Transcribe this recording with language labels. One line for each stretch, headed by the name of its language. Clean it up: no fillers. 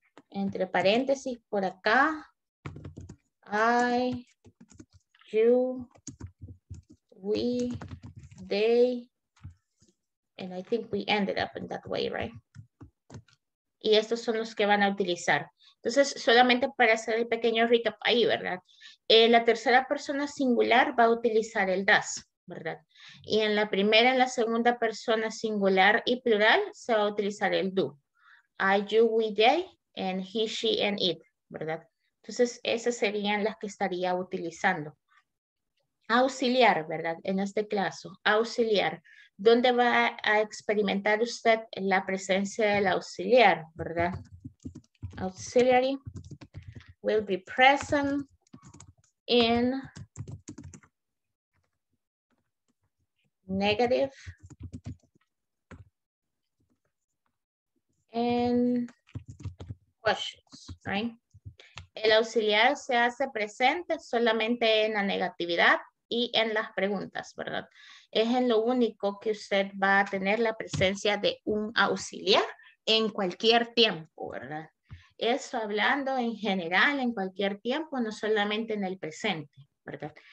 Spanish: Entre paréntesis por acá,
English: I, you, we, they, and I think we ended up in that way, right?
Spanish: Y estos son los que van a utilizar. Entonces, solamente para hacer el pequeño recap ahí, ¿verdad? La tercera persona singular va a utilizar el does, ¿verdad? Y en la primera, en la segunda persona singular y plural, se va a utilizar el do.
English: I, you, we, they, and he, she, and it, ¿verdad?
Spanish: Entonces, esas serían las que estaría utilizando. Auxiliar, ¿verdad? En este caso, auxiliar. ¿Dónde va a experimentar usted la presencia del auxiliar, verdad?
English: Auxiliary will be present in negative and questions, right?
Spanish: El auxiliar se hace presente solamente en la negatividad y en las preguntas, ¿verdad? Es en lo único que usted va a tener la presencia de un auxiliar en cualquier tiempo, ¿verdad? Eso hablando en general, en cualquier tiempo, no solamente en el presente, ¿verdad?